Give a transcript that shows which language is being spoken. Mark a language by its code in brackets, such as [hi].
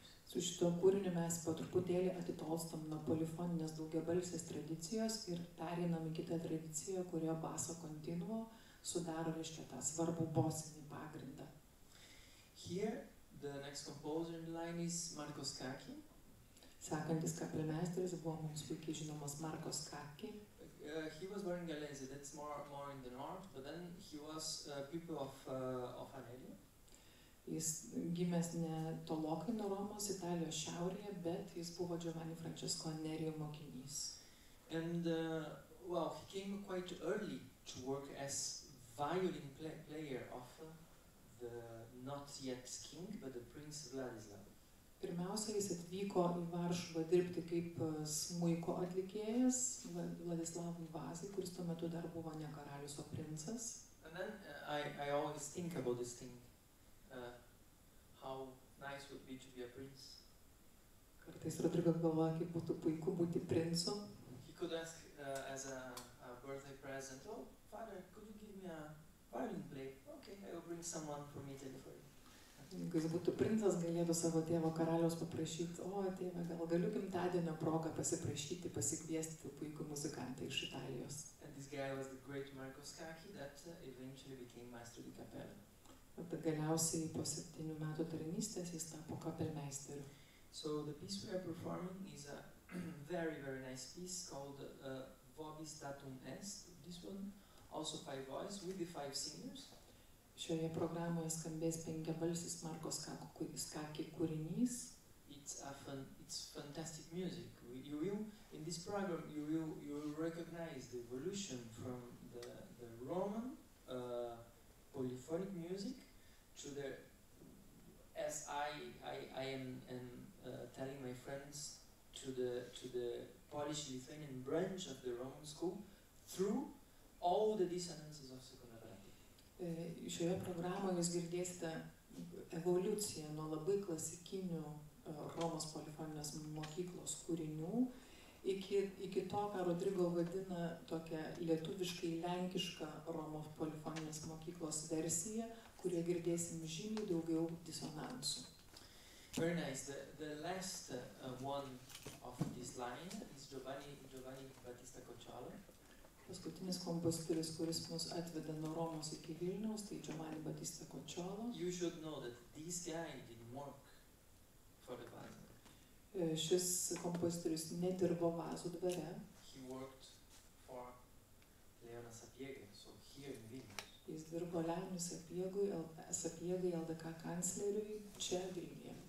[lt] Su šito kūriniu mes po truputėlį atitolstam nuo polifoninės daugiabalsės tradicijos ir pereinam į kitą tradiciją, kurio baso continuo sudaro, reiškia, tą svarbų bosinį pagrindą. [en] Here, the next composer in line is Marco Scacchi. [lt] Sekantis kapelmeisteris buvo mums puikiai žinomas Marco Scacchi. [en] He was born in Galenzi, that's more in the north, but then he was pupil of Anelio. [lt] Jis gimęs ne tolokai nuo Romos, Italijos šiaurėje, bet jis buvo Giovanni Francesco Anerio mokinys. [en] And well, he came quite early to work as violin player of the not yet king, but the prince Vladislav. [lt] Pirmiausia, jis atvyko į Varšuvą dirbti kaip smuiko atlikėjas Vladislavui Vazai, kuris tuo metu dar buvo ne karalius, o princas. [en] And then I always think about this thing. How nice would be to be a prince. [lt] Kartais Rodrigo galvoja, kaip būtų puiku būti princu. [en] He could ask as a birthday present, oh, father, could you give me a violin play? Okay, I will bring someone from Italy for you. [lt] Jeigu jis būtų princas, galėtų savo tėvo karaliaus paprašyti, o tėve, gal galiu gimtadienio progą pasiprašyti, pasikviesti tų puikų muzikantą iš Italijos. [en] And this guy was the great Marco Scacchi that eventually became master di cappella. [lt] Bet galiausiai po 7 metų tarnystės jis tapo kapelmeisteriu. [en] So the piece we are performing is a very, very nice piece called Vobis Datum Est, this one, also 5 voices with the 5 singers. [lt] Šioje programoje skambės 5-balsis Marko Skaki kūrinys. [en] It's fantastic music. You will, in this program, you will recognize the evolution from the Roman polyphonic music to the, as I am telling my friends, to the Polish-Lithuanian branch of the Roman school through all the dissonances of secondary. [lt] Šioje programoje jūs girdėsite evoliuciją nuo labai klasikinių Romos polifoninės mokyklos kūrinių iki to, ką Rodrigo vadina tokia lietuviškai lenkiška Romos polifoninės mokyklos versija, kurie girdėsim žymiai daugiau disonansų. [en] Very nice. The last one of this line is Giovanni Battista Cocciola. [lt] Paskutinis kompozitorius, kuris mus atveda nuo Romos iki Vilniaus, tai Giovanni Battista Cocciola. [en] You should know that this guy didn't work for the band. [lt] Šis kompozitorius nedirbo Vazų dvare. [en] He worked for Leoną Sapiegą, so here in Vilnius. [lt] Jis dirbo Leonui Sapiegai, LDK kancleriui, čia Vilniuje.